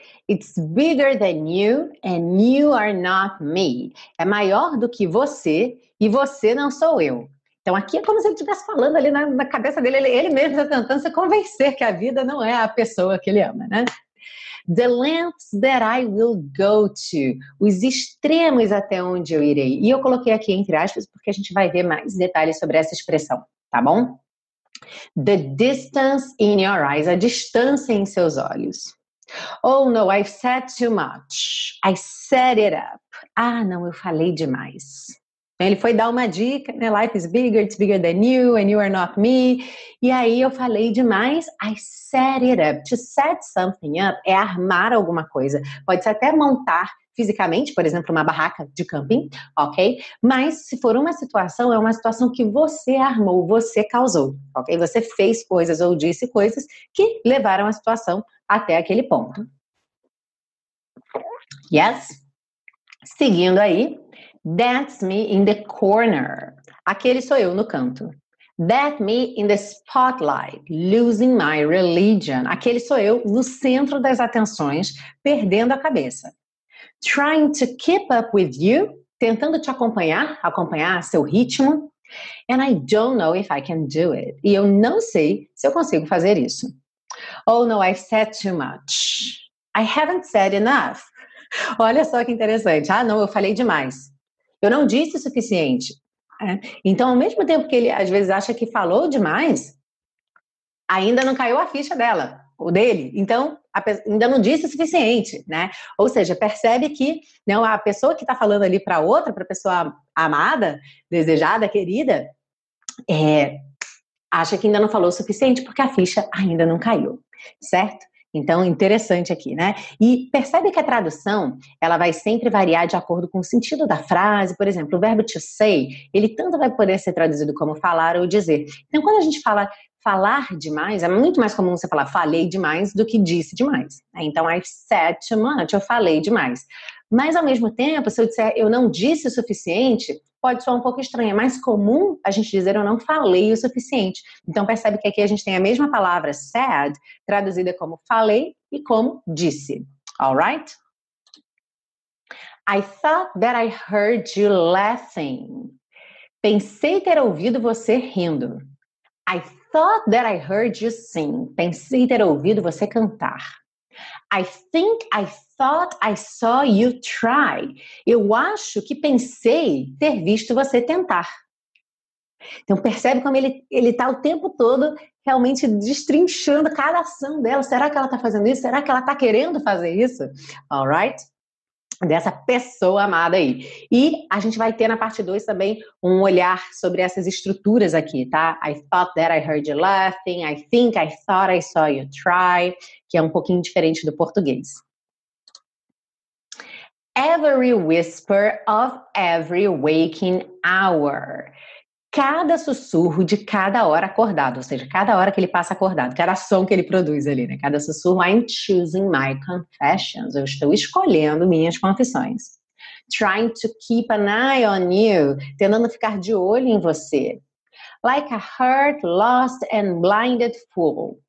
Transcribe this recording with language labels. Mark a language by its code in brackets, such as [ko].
[en] It's bigger than you and you are not me. [pt] É maior do que você... E você não sou eu. Então, aqui é como se ele estivesse falando ali na cabeça dele. Ele mesmo está tentando se convencer que a vida não é a pessoa que ele ama, né? [en] The lengths that I will go to. [pt] Os extremos até onde eu irei. E eu coloquei aqui entre aspas porque a gente vai ver mais detalhes sobre essa expressão, tá bom? [en] The distance in your eyes. [pt] A distância em seus olhos. [en] Oh, no, I've said too much. I set it up. [pt] Ah, não, eu falei demais. Ele foi dar uma dica, né? [en] Life is bigger, it's bigger than you, and you are not me. [pt] E aí eu falei demais, [en] I set it up. To set something up [pt] é armar alguma coisa. Pode ser até montar fisicamente, por exemplo, uma barraca de camping, ok? Mas se for uma situação, é uma situação que você armou, você causou, ok? Você fez coisas ou disse coisas que levaram a situação até aquele ponto. [en] Yes? [pt] Seguindo aí. [en] That's me in the corner. [pt] Aquele sou eu no canto. [en] That's me in the spotlight, losing my religion. [pt] Aquele sou eu no centro das atenções, perdendo a cabeça. [en] Trying to keep up with you, [pt] tentando te acompanhar seu ritmo. [en] And I don't know if I can do it. [pt] E eu não sei se eu consigo fazer isso. [en] Oh no, I've said too much. I haven't said enough. [pt] Olha só que interessante. Ah, não, eu falei demais. Eu não disse o suficiente. Né? Então, ao mesmo tempo que ele, às vezes, acha que falou demais, ainda não caiu a ficha dela, ou dele. Então, ainda não disse o suficiente, né? Ou seja, percebe que, né, a pessoa que está falando ali para outra, para a pessoa amada, desejada, querida, acha que ainda não falou o suficiente, porque a ficha ainda não caiu, certo? Então, interessante aqui, né? E percebe que a tradução, ela vai sempre variar de acordo com o sentido da frase. Por exemplo, o verbo to say, ele tanto vai poder ser traduzido como falar ou dizer. Então, quando a gente fala falar demais, é muito mais comum você falar falei demais do que disse demais. Né? Então, [en] I've said too much, [pt] eu falei demais. Mas, ao mesmo tempo, se eu disser eu não disse o suficiente, pode soar um pouco estranho. É mais comum a gente dizer eu não falei o suficiente. Então, percebe que aqui a gente tem a mesma palavra said, traduzida como falei e como disse. [en] Alright? I thought that I heard you laughing. [pt] Pensei ter ouvido você rindo. [en] I thought that I heard you sing. [pt] Pensei ter ouvido você cantar. [en] I think I thought I saw you try. [pt] Eu acho que pensei ter visto você tentar. Então percebe como ele está o tempo todo realmente destrinchando cada ação dela. Será que ela está fazendo isso? Será que ela está querendo fazer isso? All right? Dessa pessoa amada aí. E a gente vai ter na parte 2 também um olhar sobre essas estruturas aqui, tá? [en] I thought that I heard you laughing. I think I thought I saw you try. [pt] Que é um pouquinho diferente do português. [en] Every whisper of every waking hour. [pt] Cada sussurro de cada hora acordado, ou seja, cada hora que ele passa acordado, cada som que ele produz ali, né? Cada sussurro, [en] I'm choosing my confessions. [pt] Eu estou escolhendo minhas confissões. [en] Trying to keep an eye on you. [pt] Tentando ficar de olho em você. [en] Like a hurt, lost and blinded fool.